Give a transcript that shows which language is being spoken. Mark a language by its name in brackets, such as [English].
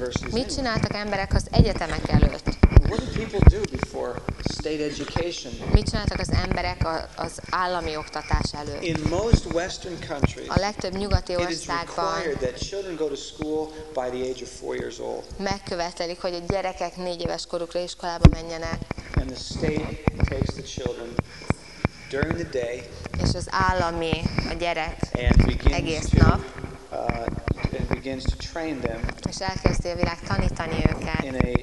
[Hungarian] Mit csináltak emberek az egyetemek előtt? [English] What did people do before state education? [Hungarian] Mit csináltak az emberek az állami oktatás előtt? [English] In most Western countries, [Hungarian] a legtöbb nyugati országban, [English] it is required that children go to school by the age of 4 years old. [Hungarian] Megkövetelik, hogy a gyerekek 4 éves korukra iskolába menjenek. [English] And the state takes the children during the day. [Hungarian] És az állami a gyerek egész [English] to, [Hungarian] nap. [English] And begins to train them. [Hungarian] És elkezdi a világ tanítani őket.